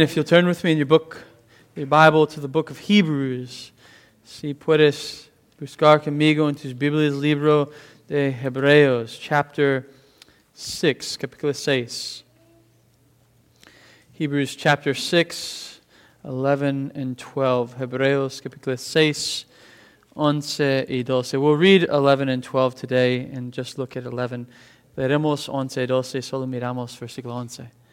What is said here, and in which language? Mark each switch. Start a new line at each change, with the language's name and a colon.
English: If you'll turn with me in your Bible to the book of Hebrews.
Spanish: Si puedes buscar conmigo en tus Biblias, libro de Hebreos,
English: chapter 6,
Spanish: capítulo 6.
English: Hebrews chapter 6, 11 and 12.
Spanish: Hebreos, capítulo 6, 11 y 12.
English: We'll read 11 and 12 today and just look at 11.
Spanish: Veremos 11 y 12, solo miramos versículo 11.